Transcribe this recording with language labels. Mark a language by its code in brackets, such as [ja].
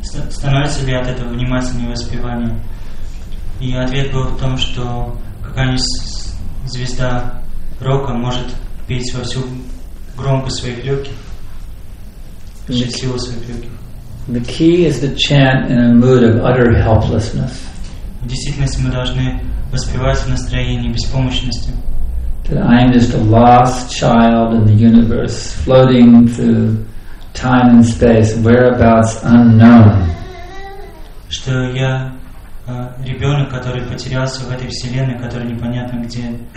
[ru] Становится ли от этого внимательнее воспевание? И ответ был в том, что какая-нибудь звезда рока может петь во всю громкость своих легких, всю силу своих легких. [en] The key is to chant in a mood of utter helplessness. [ru] В действительности мы должны воспевать в настроении беспомощности. [en] That I am just a lost child in the universe, floating through time and space, whereabouts unknown. [ru] Что я ребенок, который потерялся в этой вселенной, который непонятно где.